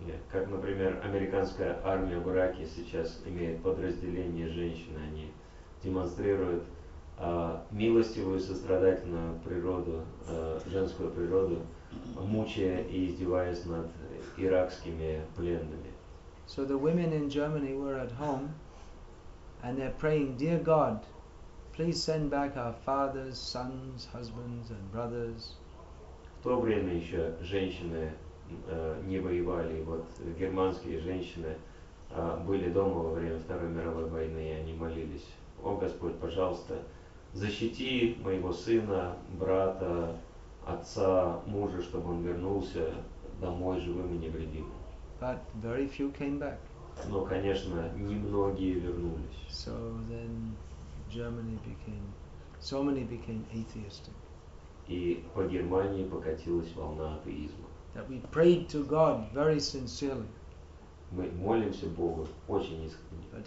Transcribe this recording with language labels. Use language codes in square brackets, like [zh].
[ru] Как, например, американская армия в Ираке сейчас имеет подразделение женщин, они демонстрируют милостивую, сострадательную природу, женскую природу, мучая и издеваясь над иракскими пленными. [en] So the women in Germany were at home, and they're praying, dear God, please send back our fathers, sons, husbands, and brothers. [ru] В то время еще женщины не воевали. Вот германские женщины были дома во время Второй мировой войны, и они молились: О Господь, пожалуйста, защити моего сына, брата, отца, мужа, чтобы он вернулся домой живым и невредимым. [en] But very few came back. [ru] Но, конечно, немногие вернулись. [en] So then Germany became, so many became atheistic. [ru] И по Германии покатилась волна атеизма. [en] That we prayed to God very sincerely. [ru] Мы молимся Богу очень искренне.